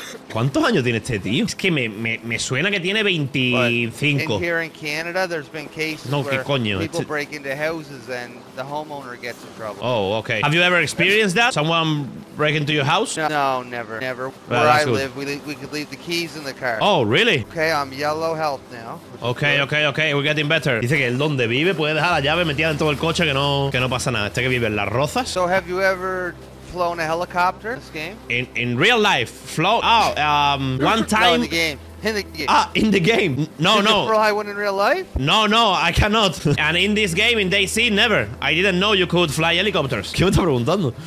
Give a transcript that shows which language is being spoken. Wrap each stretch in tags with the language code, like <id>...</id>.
<es>¿Cuántos años tiene este tío? Es que me suena que tiene 25.</es> <en>Here in Canada, there's been cases</en> <es>no, ¿qué coño?</es> <en>Where people break into houses and the homeowner gets in trouble. Oh, okay. Have you ever experienced that? Someone break into your house? No, never. Never. Well, where I good. Live, we could leave the keys in the car. Oh, really? Okay, I'm yellow health now. Okay, we're getting better.</en> <es>Dice que el donde vive puede dejar la llave metida dentro del coche que no pasa nada. Este que vive en Las Rozas.</es> <en>So have you ever flown a helicopter this game? In real life, flown? One time? No, in the game. Ah, in the game. No, Did Did you fly one in real life? No, I cannot. And in this game, in DayZ, never. I didn't know you could fly helicopters.</en> <es>¿Qué me está preguntando?</es>